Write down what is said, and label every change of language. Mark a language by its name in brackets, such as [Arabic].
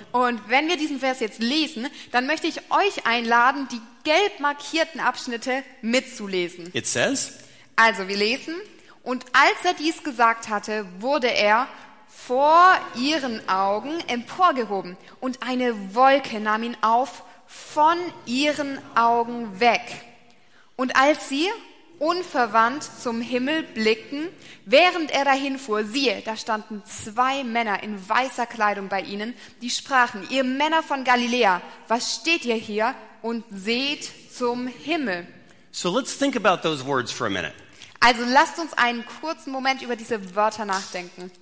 [German] Und wenn wir diesen Vers jetzt lesen, dann möchte ich euch einladen, die gelb markierten Abschnitte mitzulesen. [English] It says, [German] also wir lesen, und als er dies gesagt hatte, wurde er vor ihren Augen emporgehoben und eine Wolke nahm ihn auf von ihren Augen weg. Und als sie unverwandt zum Himmel blickten, während er dahin fuhr, siehe, da standen zwei Männer in weißer Kleidung bei ihnen, die sprachen, ihr Männer von Galiläa, was steht ihr hier und seht zum Himmel? [English] So let's think about those words for a minute. [German] Also lasst uns einen kurzen Moment über diese Wörter nachdenken.